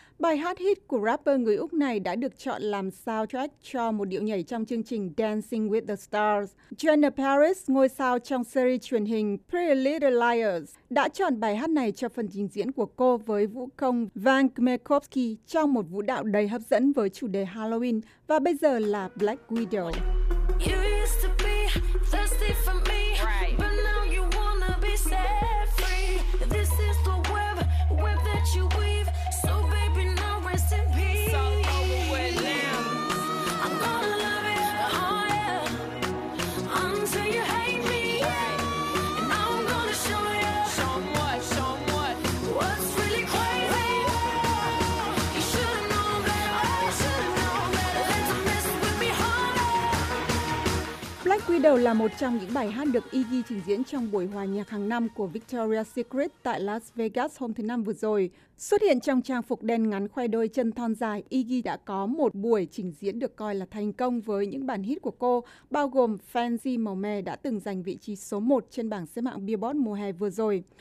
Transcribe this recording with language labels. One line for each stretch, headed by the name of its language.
Vietnamese: Bài hát hit của rapper người Úc này đã được chọn làm soundtrack cho một điệu nhảy trong chương trình Dancing with the Stars. Jenna Paris, ngôi sao trong series truyền hình Pretty Little Liars, đã chọn bài hát này cho phần trình diễn của cô với vũ công Van Kmekowski trong một vũ đạo đầy hấp dẫn với chủ đề Halloween và bây giờ là Black Widow.
English: You used to be thirsty for me, right. But now you wanna be set free. This is the web, web that you weave. So baby, now rest in peace. So over with now. I'm gonna love it, oh yeah. Until you hate me, yeah. And now I'm gonna show you. Show what? What's really crazy? Oh, you should've known better. You should've known better. Than to mess with me harder.
Vietnamese: Black Widow là một trong những bài hát được Iggy trình diễn trong buổi hòa nhạc hàng năm của Victoria's Secret tại Las Vegas hôm thứ Năm vừa rồi. Xuất hiện trong trang phục đen ngắn khoe đôi chân thon dài, Iggy đã có một buổi trình diễn được coi là thành công với những bản hit của cô, bao gồm Fancy màu mè đã từng giành vị trí số 1 trên bảng xếp hạng Billboard mùa hè vừa rồi.